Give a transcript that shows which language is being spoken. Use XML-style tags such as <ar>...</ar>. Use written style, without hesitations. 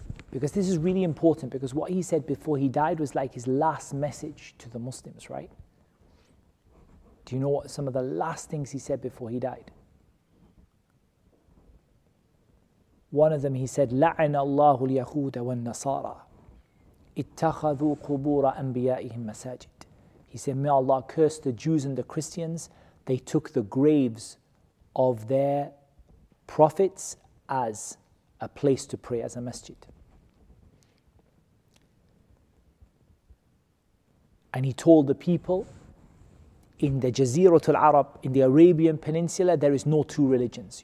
<en>Because this is really important, because what he said before he died was like his last message to the Muslims, right? Do you know what some of the last things he said before he died? One of them he said,</en> <ar>لَعَنَ اللَّهُ الْيَهُودَ وَالنَّصَارَى اتخذوا قبور أنبيائهم مساجد.</ar> <en>He said, may Allah curse the Jews and the Christians. They took the graves of their prophets as a place to pray, as a masjid. And he told the people in the Jaziratul Arab, in the Arabian Peninsula, there is no two religions.</en>